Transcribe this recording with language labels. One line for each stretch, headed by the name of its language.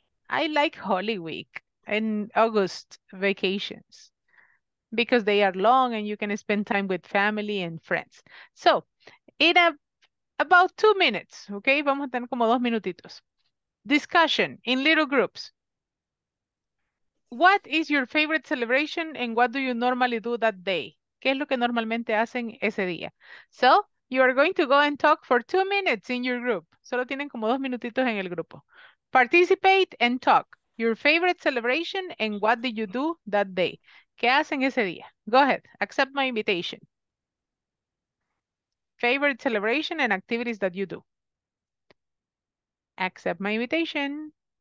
English: I like Holy Week and August vacations because they are long and you can spend time with family and friends. So, in about 2 minutes, okay?
Spanish: Vamos a tener como dos minutitos.
English: Discussion in little groups. What is your favorite celebration and what do you normally do that day?
Spanish: ¿Qué es lo que normalmente hacen ese día?
English: So, you are going to go and talk for 2 minutes in your group.
Spanish: Solo tienen como dos minutitos en el grupo.
English: Participate and talk. Your favorite celebration and what did you do that day?
Spanish: ¿Qué hacen ese día?
English: Go ahead. Accept my invitation. Favorite celebration and activities that you do. Accept my invitation.